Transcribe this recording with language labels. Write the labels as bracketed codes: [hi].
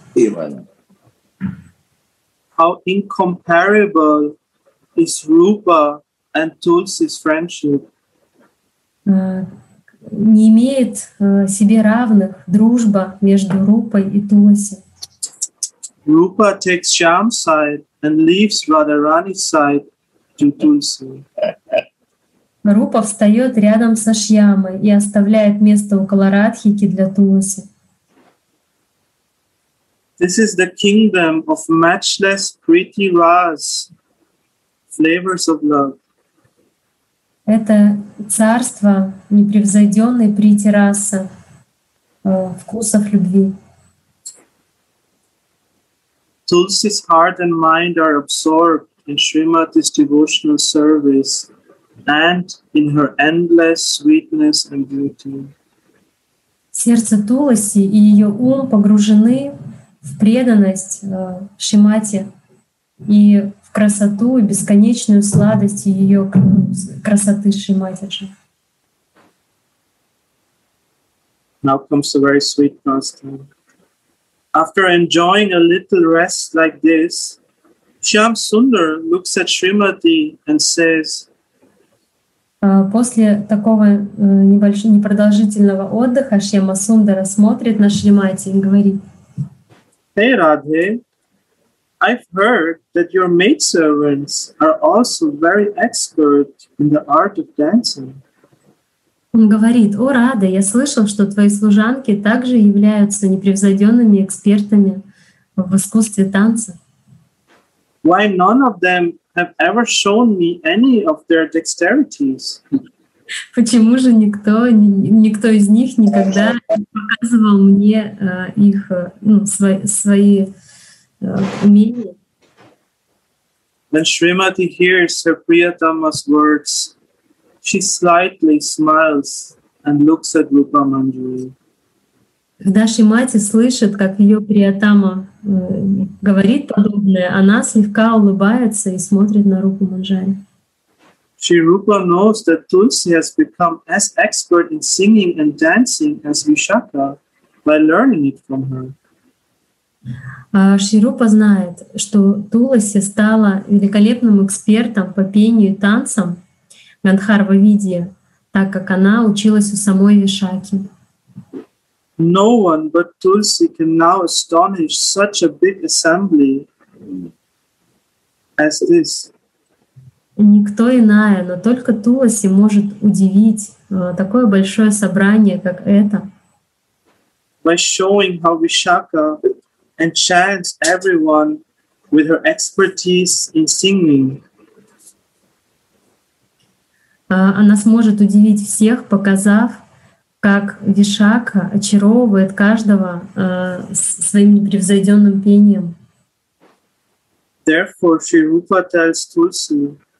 [en] Иван. How incomparable is Rupa and Tulsi's friendship? [ru] Не имеет себе равных дружба между Рупой и Тулоси. [en] Rupa takes Shyam's side and leaves Radharani's side to Tulsi. [ru] Rupa встает рядом со Шьямой и оставляет место около Радхики для Тулоси. [en] This is the kingdom of matchless pretty ras, flavors of love. [ru] Это царство непревзойденной прити расы, вкусов любви. [en] Tulsi's heart and mind are absorbed in Srimati's devotional service and in her endless sweetness and beauty. [ru] Сердце Туласи и ее ум погружены в преданность Шримати и в красоту и бесконечную сладость ее красоты Шриматиджи. [en] Now comes a very sweet pastime. After enjoying a little rest like this, Shyam Sundar looks at Srimati and says, [ru] после такого небольшого непродолжительного отдыха Шьяма Сундара смотрит на Шримати и говорит: [en] "Hey Radhe, I've heard that your maidservants are also very expert in the art of dancing." [ru] Он говорит: «О, Рада, я слышал, что твои служанки также являются непревзойденными экспертами в искусстве танца. [en] Why none of them have ever shown me any of their dexterities? [ru] Почему же никто из них никогда не показывал мне их свои умения?» [en] When Srimati hears her Priyatama's words, she slightly smiles and looks at Rupa Manjari. [ru] Когда Шримати слышит, как ее Приятама говорит подобное, она слегка улыбается и смотрит на Рупу Манджари. [en] Shri Rupa knows that Tulsi has become as expert in singing and dancing as Vishakha by learning it from her. [ru] Shri Rupa знает, что Туласи стала великолепным экспертом по пению и танцам Гандхарва Видия, так как она училась у самой Вишакхи. [en] No one but Tulsi can now astonish such a big assembly as this. [ru] Никто иная, но только Туласи может удивить такое большое собрание, как это. [en] by showing how Vishakha enchants everyone with her expertise in singing. [ru] Она сможет удивить всех, показав, как Вишакха очаровывает каждого своим непревзойденным пением. [en] Therefore, Shri Rupa tells Tulsi.